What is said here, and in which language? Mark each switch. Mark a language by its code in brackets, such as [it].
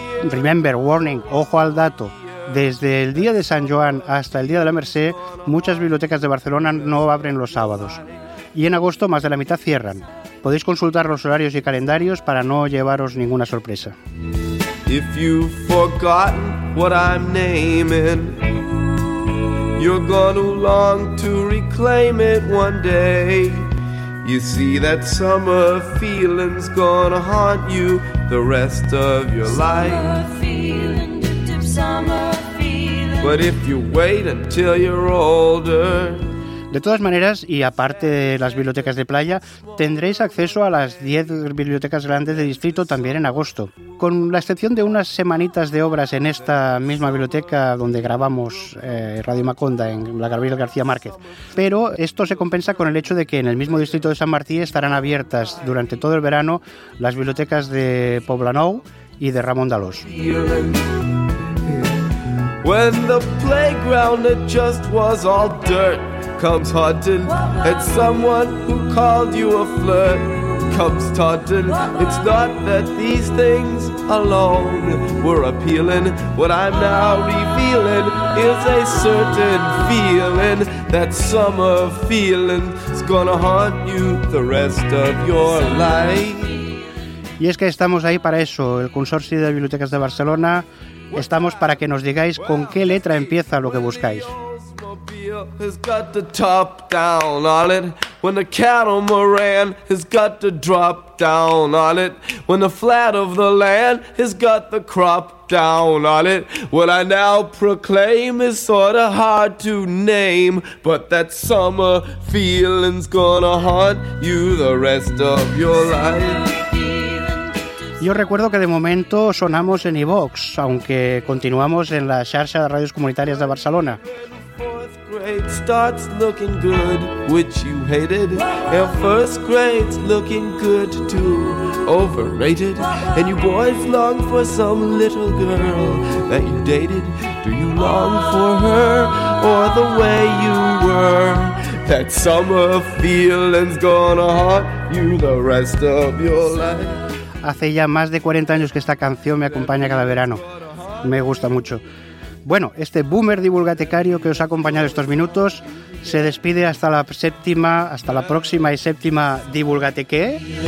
[en] Remember, warning, [es] ojo al dato, desde el día de San Joan hasta el día de la Merced, muchas bibliotecas de Barcelona no abren los sábados. Y en agosto más de la mitad cierran. Podéis consultar los horarios y calendarios para no llevaros ninguna sorpresa. [en] If you've forgotten what I'm naming, you're gonna long to reclaim it one day. You see, that summer feeling's gonna haunt you the rest of your life. Summer feeling, dip-dip, summer feeling. But if you wait until you're older. [es] De todas maneras, y aparte de las bibliotecas de playa, tendréis acceso a las 10 bibliotecas grandes de distrito también en agosto. Con la excepción de unas semanitas de obras en esta misma biblioteca donde grabamos Radio Maconda, en la Gabriel García Márquez. Pero esto se compensa con el hecho de que en el mismo distrito de San Martí estarán abiertas durante todo el verano las bibliotecas de Poblenou y de Ramon Dalós. [en] When the playground it just was all dirt comes haunting, it's someone who called you a flirt comes taunting. It's not that these things alone were appealing. What I'm now revealing is a certain feeling. That summer feeling's gonna haunt you the rest of your life. [es] Y es que estamos ahí para eso, el Consorcio de Bibliotecas de Barcelona. Estamos para que nos digáis con qué letra empieza lo que buscáis. [en] Has got the top down on it. When the catamaran has got the drop down on it. When the flat of the land has got the crop down on it. What I now proclaim is sort of hard to name, but that summer feeling's gonna haunt you the rest of your life. [es] Yo recuerdo que de momento sonamos en iVox, aunque continuamos en la xarxa de radios comunitarias de Barcelona. [en] Grade starts looking good, which you hated. And first grade's looking good too, overrated. And you boys long for some little girl that you dated. Do you long for her or the way you were? That summer feeling's gonna haunt you the rest of your life. [es] Hace ya más de 40 años que esta canción me acompaña cada verano. Me gusta mucho. Bueno, este boomer divulgatecario que os ha acompañado estos minutos se despide hasta la séptima, hasta la próxima y séptima divulgateque.